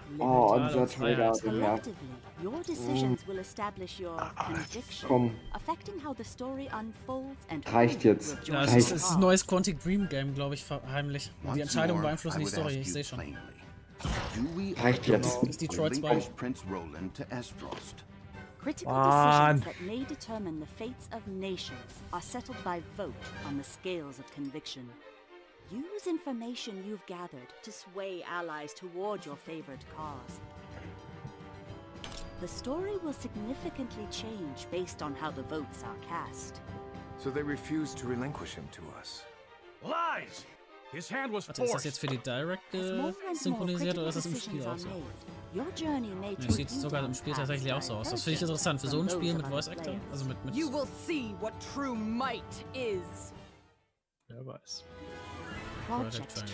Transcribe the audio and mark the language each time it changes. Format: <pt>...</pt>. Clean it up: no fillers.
<de>Oh, unser Trailer, ja.</de> <en>Your decisions will establish your conviction, affecting how the story unfolds and</en> <de>reicht jetzt. Ja, es ist ein neues Quantic Dream Game, glaube ich, heimlich. Die Entscheidung beeinflusst die Story, ich sehe schon. Reicht jetzt. Ist Detroit 2.</de> <en>Prince Roland to</en> <de>Esdrost.</de> <en>Critical decisions that may determine the fates of nations are settled by vote on the scales of conviction. Use information you've gathered to sway allies toward your favorite cause. The story will significantly change based on how the votes are cast. So they refuse to relinquish him to us. Lies! His hand was forced.</en> <de>Ist das jetzt für die Direct synchronisiert oder ist das im Spiel auch so? Nee, sieht sogar im Spiel tatsächlich auch so aus. Das finde ich interessant für so ein Spiel mit Voice Acting. Also mit.</de> <en>You will see what true might is.</en> <de>Wer weiß.</de> <en>Project</en>